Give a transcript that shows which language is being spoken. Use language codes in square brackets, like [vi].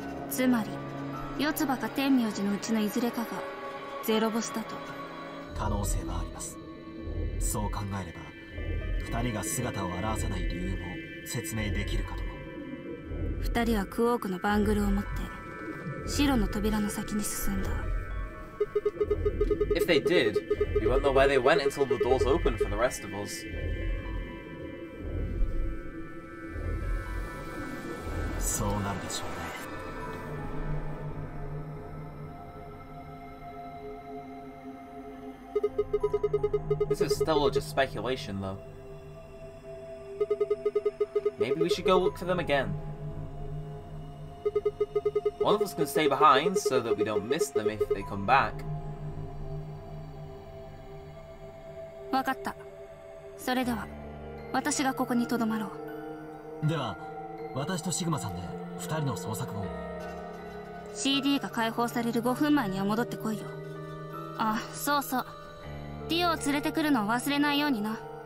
[ja] つまり、四つ葉か天明寺のうちのいずれかがゼロボスだと。可能性はあります。そう考えれば、二人が姿を現さない理由も説明できるかと。二人はクォークのバングルを持って白の扉の先に進んだ。 [en] If they did, we won't know where they went until the doors open for the rest of us. [ja] そうなるでしょうね。 [en] This is still all just speculation, though. Maybe we should go look for them again. One of us can stay behind so that we don't miss them if they come back. [ja] わかった。それでは、私がここにとどまろう。では、私とシグマさんで二人の捜索を。 CD が解放される5分前には戻ってこいよ。あ、そうそう。ディオを連れてくるのを忘れないようにな。